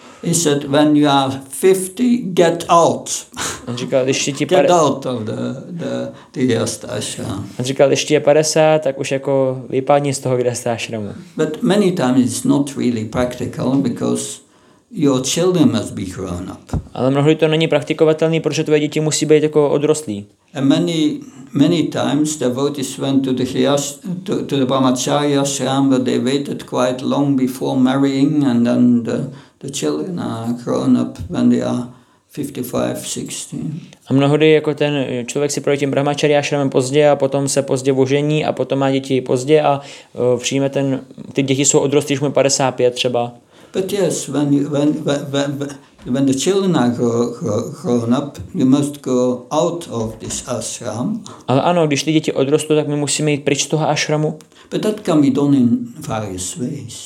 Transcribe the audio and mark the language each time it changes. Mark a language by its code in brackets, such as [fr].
[en] He said, when you are 50, get out. [cs] On říkal, když ti [en] get out of the Grihastha ashram. [cs] On říkal, když ti je 50, tak už jako vypadni z toho Grihastha ashramu. [en] But many times it's not really practical because your children must be grown up. [cs] Ale mnohdy to není praktikovatelný, protože tvoje děti musí být jako odrostlí. [en] And many times devotees went to the to the Brahmacharya ashram, but they waited quite long before marrying, and then the children are grown up when they are 55, 60. [cs] A mnohdy jako ten člověk si projde tím brahmačary ashramem pozdě a potom se pozdě vožení a potom má děti pozdě a přijme ten, ty děti jsou odrostlí, už mu 55 třeba. [en] But yes, when the children are grown up, you must go out of this ashram. [cs] Ale ano, když ty děti odrostou, tak my musíme jít pryč z toho ashramu. [en] But that can be done in various ways.